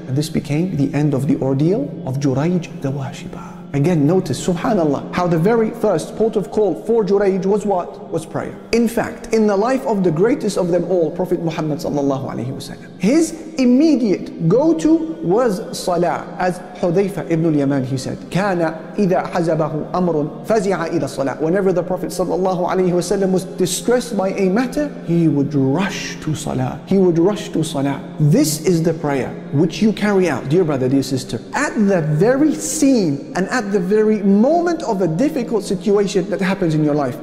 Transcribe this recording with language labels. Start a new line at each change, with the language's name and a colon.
English: And this became the end of the ordeal of Juraij the worshipper. Again, notice, subhanallah, how the very first port of call for Juraij was what? Was prayer. In fact, in the life of the greatest of them all, Prophet Muhammad sallallahu alayhi wasallam, his immediate go-to was salah. As Hudhayfa ibn al-Yaman, he said,
Arabic: كَانَ إِذَا حَزَبَهُ أَمْرٌ فَزِعَ إِلَى الصَّلَاةِ.
English: Whenever the Prophet sallallahu alayhi wasallam was distressed by a matter, he would rush to salah. He would rush to salah. This is the prayer which you carry out, dear brother, dear sister, at the very scene and at the very moment of a difficult situation that happens in your life.